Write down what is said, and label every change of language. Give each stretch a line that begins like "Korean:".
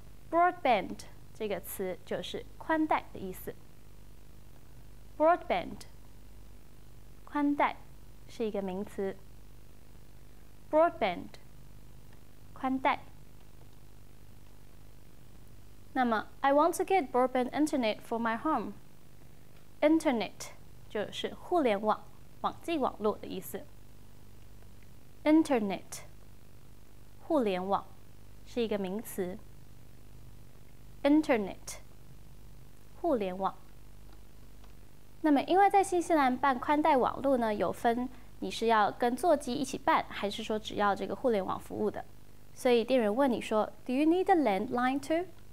Chinese: Broadband 这个词就是宽带的意思。 Broadband 宽带是一个名词。 Broadband 宽带。那么
English: I want to get broadband internet for my home， internet
Chinese: 就是互联网网际网络的意思。 internet 互联网是一个名词。 internet 互联网。那么因为在新西兰办宽带网络呢，有分你是要跟座机一起办，还是说只要这个互联网服务的，所以店员问你说
English: Do you need a landline too？